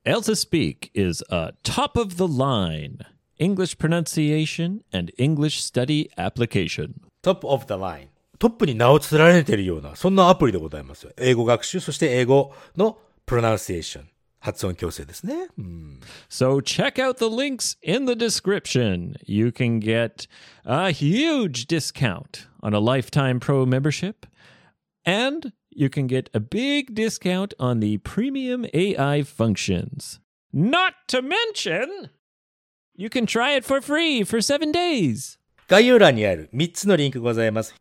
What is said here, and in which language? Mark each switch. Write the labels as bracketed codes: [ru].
[en] Elsa Speak is a top of the line English pronunciation and English study application. Top of the line. [ja] トップに名を連ねているような、そんなアプリでございますよ。英語学習、そして英語のプロナンシエーション。発音矯正ですね。うん、 [en] so check out the links in the description. You can get a huge discount on a lifetime pro membership. And you can get a big discount on the premium AI functions. Not to mention, you can try it for free for 7 days. [ja] 概要欄にある3つのリンクございます。